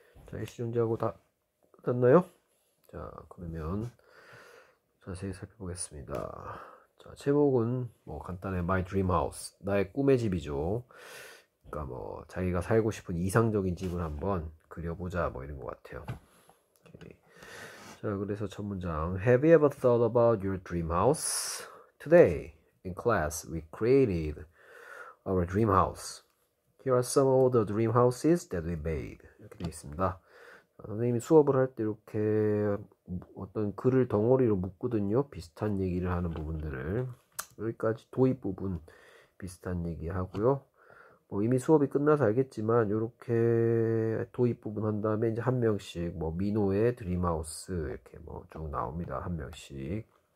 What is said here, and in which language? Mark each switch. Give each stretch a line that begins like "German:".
Korean: 자, 일시정지하고 다 끝났나요? 자, 그러면 자세히 살펴보겠습니다. 자, 제목은 뭐 간단해.
English: My Dream House.
Korean: 나의 꿈의 집이죠. 그러니까 뭐 자기가 살고 싶은 이상적인 집을 한번 그려보자 뭐 이런 것 같아요. 오케이. 자, 그래서 첫 문장.
English: Have you ever thought about your dream house? Today, in class, we created our dream house. Here are some of the dream houses that we made.
Korean: 이렇게 되어 있습니다. 선생님이 수업을 할때 이렇게 어떤 글을 덩어리로 묶거든요. 비슷한 얘기를 하는 부분들을. 여기까지 도입 부분 비슷한 얘기 하고요. 뭐 이미 수업이 끝나서 알겠지만, 이렇게 도입 부분 한 다음에 이제 한 명씩, 뭐, 미노의 드림하우스 이렇게 뭐쭉 나옵니다. 한 명씩.